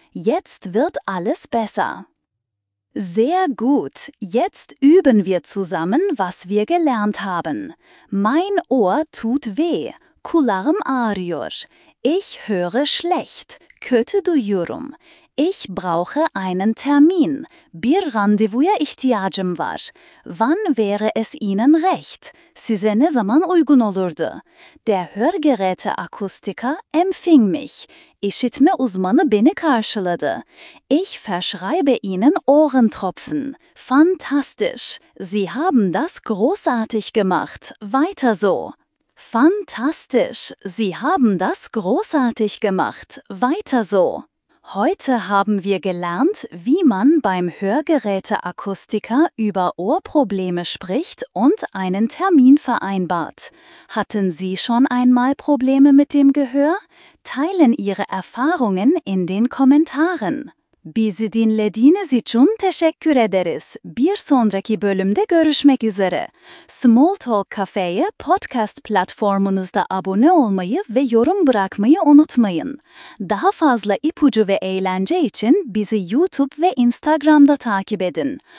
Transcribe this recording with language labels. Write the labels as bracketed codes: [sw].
[de] Jetzt wird alles besser. Sehr gut. Jetzt üben wir zusammen, was wir gelernt haben. Mein Ohr tut weh. [tr] Kulağım ağrıyor. [de] Ich höre schlecht. [tr] Kötü duyuyorum. [de] Ich brauche einen Termin. [tr] Bir randevuya ihtiyacım var. [de] Wann wäre es Ihnen recht? [tr] Size ne zaman uygun olurdu? [de] Der Hörgeräteakustiker empfing mich. [tr] İşitme uzmanı beni karşıladı. [de] Ich verschreibe Ihnen Ohrentropfen. Fantastisch. Sie haben das großartig gemacht. Weiter so. Fantastisch. Sie haben das großartig gemacht. Weiter so. Heute haben wir gelernt, wie man beim Hörgeräteakustiker über Ohrprobleme spricht und einen Termin vereinbart. Hatten Sie schon einmal Probleme mit dem Gehör? Teilen Ihre Erfahrungen in den Kommentaren. [tr] Bizi dinlediğiniz için teşekkür ederiz. Bir sonraki bölümde görüşmek üzere. Small Talk Cafe'ye podcast platformunuzda abone olmayı ve yorum bırakmayı unutmayın. Daha fazla ipucu ve eğlence için bizi YouTube ve Instagram'da takip edin.